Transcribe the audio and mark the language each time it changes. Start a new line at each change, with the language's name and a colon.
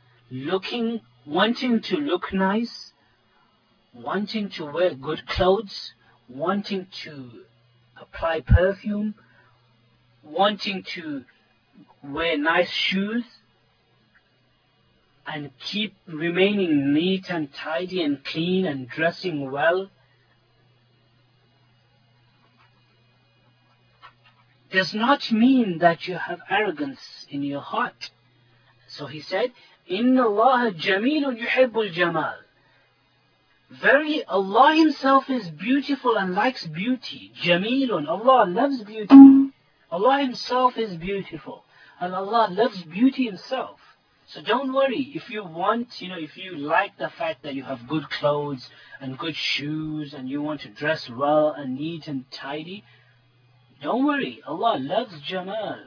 English: Looking, wanting to look nice, wanting to wear good clothes, wanting to apply perfume, wanting to wear nice shoes, and keep remaining neat and tidy and clean and dressing well. Does not mean that you have arrogance in your heart. So he said,
Arabic: إِنَّ اللَّهَ جَمِيلٌ يُحِبُّ الْجَمَالِ.
English: Very, Allah Himself is beautiful and likes beauty. جَمِيلٌ, Allah loves beauty. Allah Himself is beautiful. And Allah loves beauty Himself. So don't worry, if you want, you know, if you like the fact that you have good clothes and good shoes and you want to dress well and neat and tidy, don't worry, Allah loves Jamal.